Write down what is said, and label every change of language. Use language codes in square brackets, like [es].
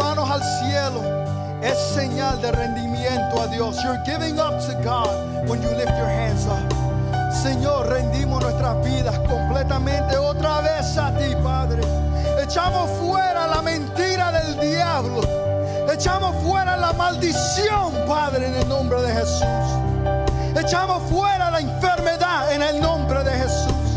[es] al cielo es señal de rendimiento a Dios. [en] You're giving up to God when you lift your hands up. [es] Señor, rendimos nuestras vidas completamente otra vez a ti, Padre. Echamos fuera la mentira del diablo. Echamos fuera la maldición, Padre, en el nombre de Jesús. Echamos fuera la enfermedad en el nombre de Jesús.